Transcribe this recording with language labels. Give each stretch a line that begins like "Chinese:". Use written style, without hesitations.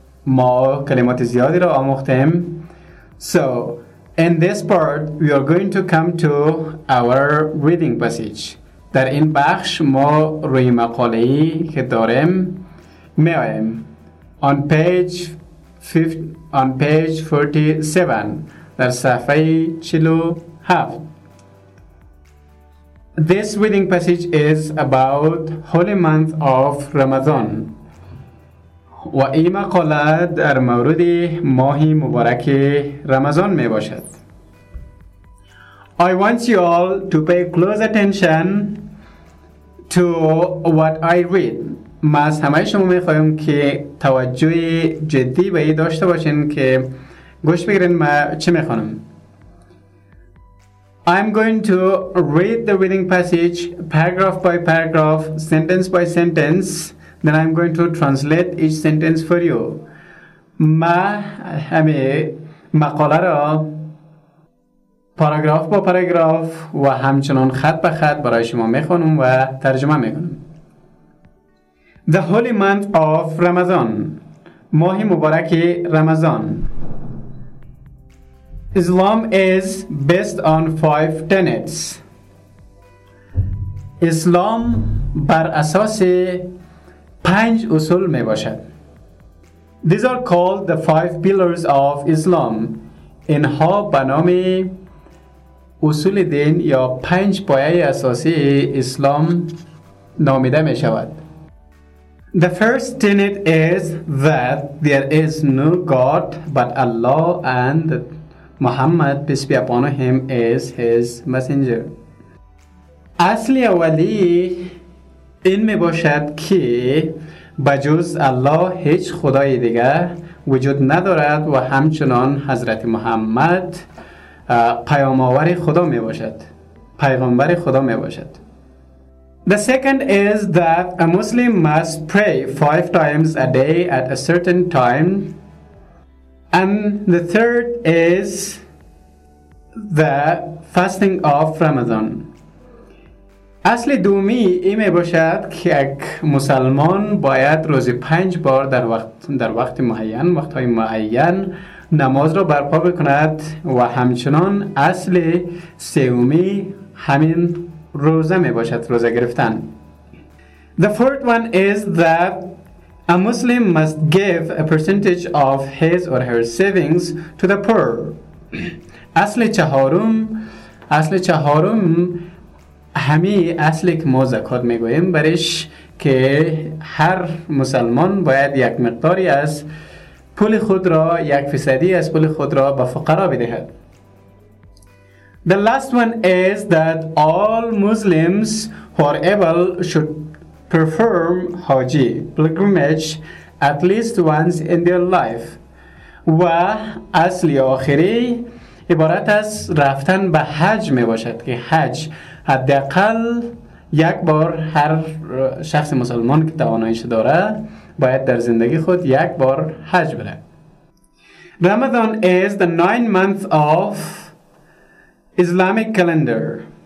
Persian: ما کلمات زیادی را آموختیم.
English: So in this part we are going to come to our reading passage.
Persian: در این بخش ما روی مقاله‌ای که داریم میایم.
English: On page 47
Persian: در صفحه 47.
English: This reading passage is about holy month of Ramadan.
Persian: و این مقاله در مورد ماهی مبارک رمضان می باشد.
English: I want you all to pay close attention to what I read.
Persian: ما از همه شما می خواهیم که توجه جدی به این داشته باشین که گوش بگیرین ما چه می خوانم.
English: I'm going to read the reading passage paragraph by paragraph, sentence by sentence. Then I'm going to translate each sentence for you.
Persian: ما همه مقاله را پاراگراف با پاراگراف و همچنان خط به خط برای شما میخونم و ترجمه میکنم.
English: The holy month of Ramadan.
Persian: ماه مبارک رمضان.
English: Islam is based on five tenets.
Persian: Islam بر اساس پنج اصول می باشد.
English: These are called the five pillars of Islam.
Persian: اینها به نام اصول دین یا پنج پایه اساسی اسلام نامیده می شود.
English: The first tenet is that there is no God but Allah and Muhammad, peace be upon him, is his messenger.
Persian: اصل اولی این می باشد که بجز الله هیچ خدای دیگر وجود ندارد و همچنان حضرت محمد پیام‌آور خدا می باشد. پیغمبر خدا می باشد.
English: The second is that a Muslim must pray five times a day at a certain time. And the third is the fasting of Ramadan.
Persian: اصل دومی این باشد که یک مسلمان باید روزی پنج بار در وقت معین، وقت‌های معین نماز را برپا بکند و همچنان اصل سومی همین روزه میباشد، روزه گرفتن.
English: The fourth one is that a Muslim must give a percentage of his or her savings to the poor.
Persian: اصل چهارم همی اصلی که ما زکات میگویم برش که هر مسلمان باید یک مقداری از پول خود را، یک فیصدی از پول خود را به فقرا بدهد.
English: The last one is that all Muslims who are able should perform haji pilgrimage at least once in their life.
Persian: و اصل آخری عبارت از رفتن به حج می باشد که حج حداقل یک بار هر شخص مسلمان که توانایش داره باید در زندگی خود یک بار حج بره.
English: Ramadan is the 9th month of Islamic calendar.